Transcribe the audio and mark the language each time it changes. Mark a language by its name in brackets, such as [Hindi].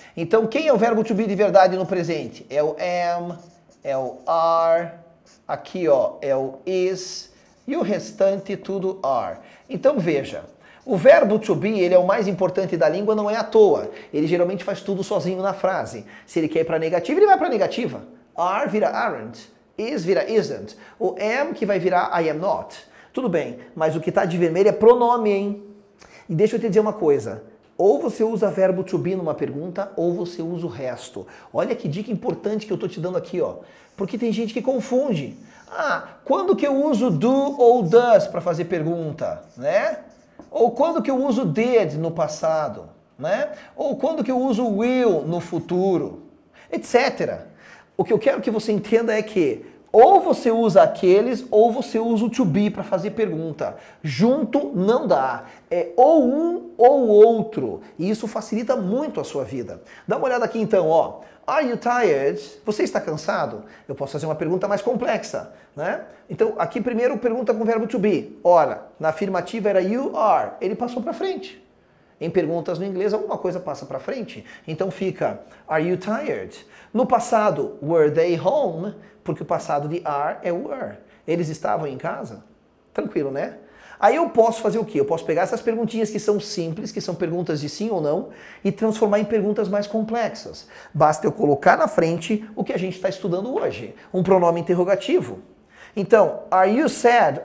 [Portuguese] Então, quem é o verbo to be de verdade no presente? É o am, é o are, aqui ó, é o is, e o restante tudo are. Então, veja, o verbo to be, ele é o mais importante da língua, não é à toa. Ele geralmente faz tudo sozinho na frase. Se ele quer ir para negativa, ele vai para negativa. Are vira aren't, is vira isn't. O am que vai virar I am not. Tudo bem, mas o que está de vermelho é pronome, hein? E deixa eu te dizer uma coisa. Ou você usa verbo to be numa pergunta, ou você usa o resto. Olha que dica importante que eu estou te dando aqui, ó. Porque tem gente que confunde. Ah, quando que eu uso do ou does para fazer pergunta, né? Ou quando que eu uso did no passado, né? Ou quando que eu uso will no futuro, etc. O que eu quero que você entenda é que ou você usa aqueles, ou você usa o to be para fazer pergunta. Junto não dá. É ou um ou outro. E isso facilita muito a sua vida. Dá uma olhada aqui então, ó. [English] Are you tired? [Portuguese] Você está cansado? Eu posso fazer uma pergunta mais complexa, né? Então, aqui primeiro pergunta com o verbo to be. Ora, na afirmativa era you are. Ele passou para frente. Em perguntas no inglês, alguma coisa passa para frente. Então fica, [English] are you tired? [Portuguese] No passado, [English] were they home? [Portuguese] Porque o passado de are é were. Eles estavam em casa? Tranquilo, né? Aí eu posso fazer o quê? Eu posso pegar essas perguntinhas que são simples, que são perguntas de sim ou não, e transformar em perguntas mais complexas. Basta eu colocar na frente o que a gente está estudando hoje. Um pronome interrogativo. Então, [English] are you sad?